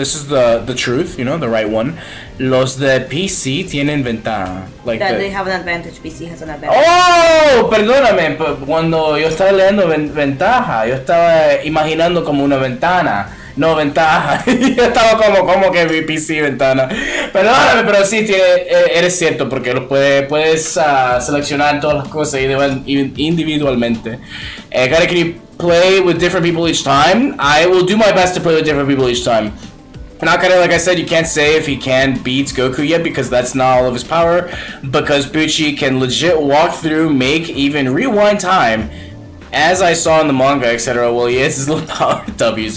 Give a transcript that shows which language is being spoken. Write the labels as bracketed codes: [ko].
[en] This is the truth, you know, the right one. [es] Los de PC tienen ventaja. [en] Like that they have an advantage. PC has an advantage. [es] Oh, perdóname, pero cuando yo estaba leyendo ventaja, yo estaba imaginando como una ventana. No, ventaja. Yo estaba como que PC ventana. Perdóname, pero sí, eres cierto, porque puedes seleccionar todas las cosas individualmente. [en] Kare, can you play with different people each time? I will do my best to play with different people each time. Now, Kare, like I said, you can't say if he can beat Goku yet because that's not all of his power. Because Bucci can legit walk through, make, even rewind time. As I saw in the manga, etc. Well, yes, his little power W's.